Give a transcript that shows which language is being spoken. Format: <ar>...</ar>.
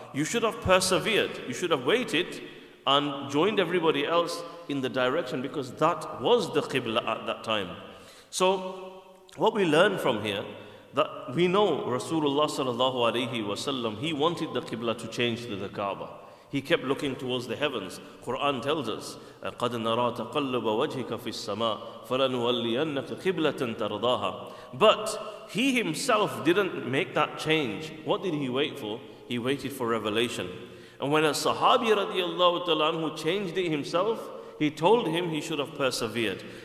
<en>You should have persevered, you should have waited and joined everybody else in the direction, because that was the qibla at that time. So what we learn from here, that we know Rasulullah sallallahu alayhi wa sallam, he wanted the qibla to change to the Kaaba. He kept looking towards the heavens. Quran tells us,</en> <ar>قَدْ نَرَى تَقَلُّبَ وَجْهِكَ فِي السَّمَاءِ فَلَنُوَلِّيَنَّكَ قِبْلَةً تَرْضَاهَا.</ar> <en>But he himself didn't make that change. What did he wait for? He waited for revelation. And when a sahabi radiallahu ta'ala anhu changed it himself, he told him he should have persevered.</en>